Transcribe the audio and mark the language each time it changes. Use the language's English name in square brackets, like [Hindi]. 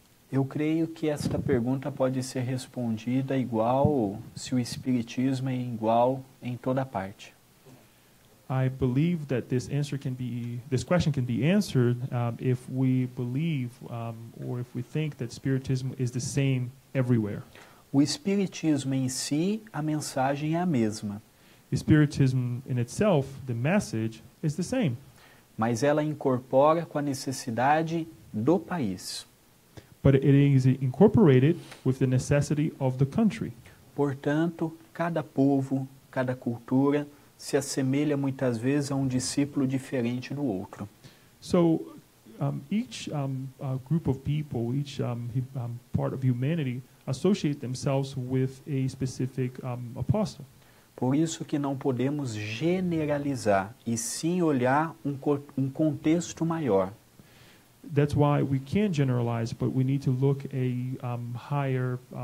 [Portuguese] Eu creio que esta pergunta pode ser respondida igual se o Espiritismo é igual em toda parte. [English] I believe that this question can be answered if we believe or if we think that Spiritism is the same everywhere. [Portuguese] O Espiritismo em si, a mensagem é a mesma. [English] Spiritism in itself, the message, is the same. [Portuguese] Mas ela incorpora com a necessidade do país. [English] But it is incorporated with the necessity of the country. [Portuguese] Portanto, cada povo, cada cultura se assemelha muitas vezes a discípulo diferente do outro. [English] So, each group of people, each part of humanity associate themselves with a specific apostle. [Portuguese] Por isso que não podemos generalizar, e sim olhar um contexto maior. [English] That's why we can't generalize, but we need to look a higher